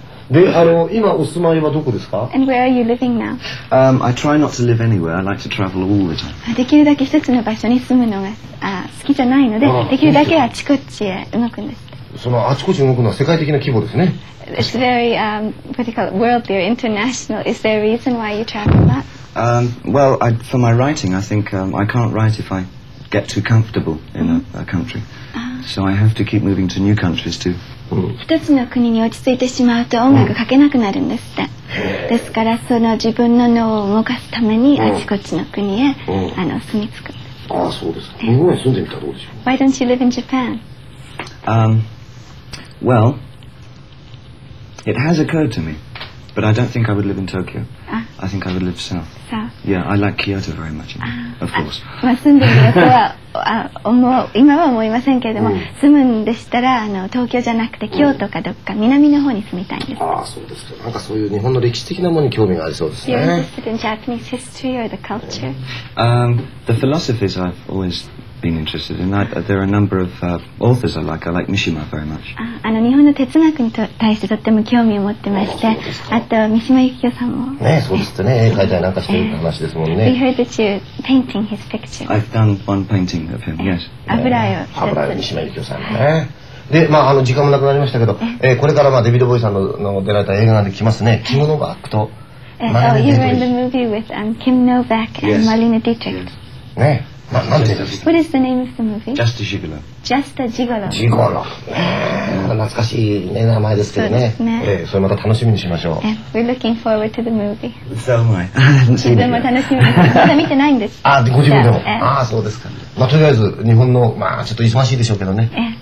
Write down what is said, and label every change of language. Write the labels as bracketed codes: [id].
[ja] で、今お住まいはどこですか。 [en] And where are you living now? I try not to live anywhere. I like to travel all the time. [ja] できるだけ一つの場所に住むのが好きじゃないので、できるだけあちこちへ動くんです。そのあちこち動くのは世界的な規模ですね。 [en] It's very, what do you call it, worldly or international. Is there a reason why you travel a lot? Well, I, for my writing, I think I can't write if I get too comfortable in a country. So I have to keep moving to new countries too. [ja] 一つの国に落ち着いてしまうと音楽書けなくなるんですって。ですからその自分の脳を動かすためにあちこちの国へ住み着く。ああ、そうですか。日本に住んでみたらどうでしょう。 [en] Why don't you live in Japan? Well, it has occurred to me, but I don't think I would live in Tokyo. I think I would live south. So. Yeah, I like Kyoto very much, of course. [ja] まあ住んでみようとは今は思いませんけれども、住むんでしたら東京じゃなくて京都かどっか南の方に住みたいんです。ああ、そうですか。なんかそういう日本の歴史的なものに興味がありそうですね。 [en] You're interested in Japanese history or the culture? The philosophies I've always been interested in. There are a number of authors I like Mishima very much. [ja] 日本の哲学に対してとっても興味を持ってまして、あと三島由紀夫さんも。ね、そうですってね、絵描いたりなんかしてる話ですもんね。 [en] We heard that you're painting his picture. I've done one painting of him, yes. [ja] 油絵を。油絵、三島由紀夫さんね。で、まあ時間もなくなりましたけど、これからデビッド・ボーイさんの出られた映画が来ますね。キム・ノバックと。 [en] Oh, you were in the movie with Kim Novak and Marlene Dietrich. [ja] ね。 [en] What is the name of the movie? Just a Gigolo. Just a Gigolo. Gigolo. [ja] また懐かしい名前ですけどね。それまた楽しみにしましょう。 [en] We're looking forward to the movie. So am I. [ja] 自分も楽しみです。まだ見てないんです。あ、ご自分でも。ああ、そうですか。まあとりあえず日本のまあちょっと忙しいでしょうけどね。